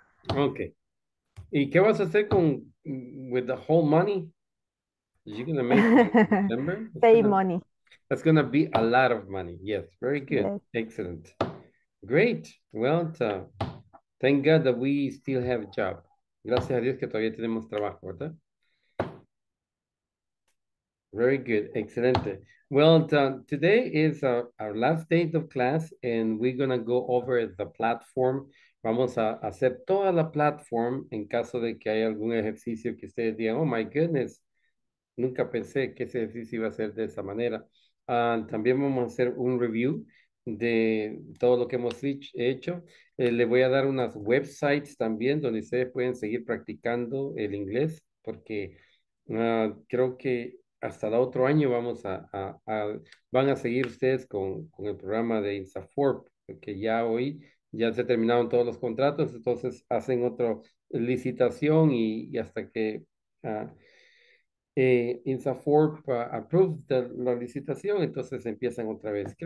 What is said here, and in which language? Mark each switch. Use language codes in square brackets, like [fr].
[es] Okay. ¿Y qué vas a hacer con with the whole money? [en] Is you gonna make money in December? Pay money. That's gonna be a lot of money. Yes, very good. Yes. Excellent. Great. Well, thank God that we still have a job. [es] Gracias a Dios que todavía tenemos trabajo, ¿verdad? [en] Very good. Excelente. Well, today is our last day of class, and we're going to go over the platform. [es] Vamos a hacer toda la platform en caso de que haya algún ejercicio que ustedes digan, oh my goodness, nunca pensé que ese ejercicio iba a ser de esa manera. También vamos a hacer un review de todo lo que hemos hecho. Le voy a dar unas websites también donde ustedes pueden seguir practicando el inglés, porque creo que hasta el otro año vamos van a seguir ustedes con el programa de INSAFORP, que ya hoy ya se terminaron todos los contratos, entonces hacen otra licitación y hasta que INSAFORP approved la licitación, entonces empiezan otra vez.